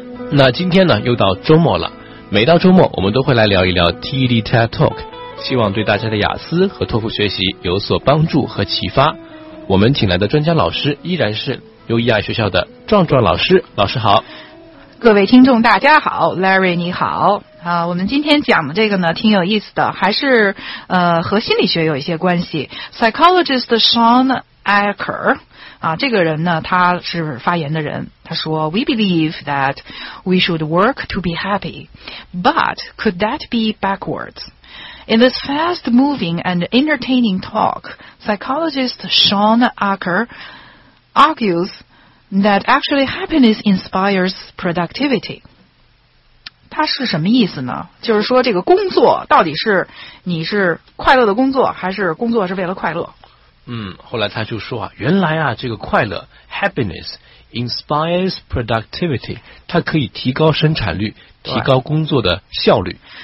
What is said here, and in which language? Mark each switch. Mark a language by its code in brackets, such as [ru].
[zh] 那今天呢，又到周末了，每到周末我们都会来聊一聊 TED TED Talk， 希望对大家的雅思和托福学习有所帮助和启发。我们请来的专家老师依然是优EI学校的壮壮老师，老师好。各位听众大家好 ，Larry 你好。啊，我们今天讲的这个呢挺有意思的，还是和心理学有一些关系。 [en] Psychologist Sean Acker [zh] 啊，这个人呢他是发言的人，他说 [en] ：“We believe that we should work to be happy, but could that be backwards?” In this fast-moving and entertaining talk, psychologist Sean Acker argues that actually happiness inspires productivity. [zh] 它是什么意思呢？就是说这个工作到底是你是快乐的工作，还是工作是为了快乐？后来他就说啊，原来啊，这个快乐 [en] happiness inspires productivity， [zh] 它可以提高生产率，提高工作的效率。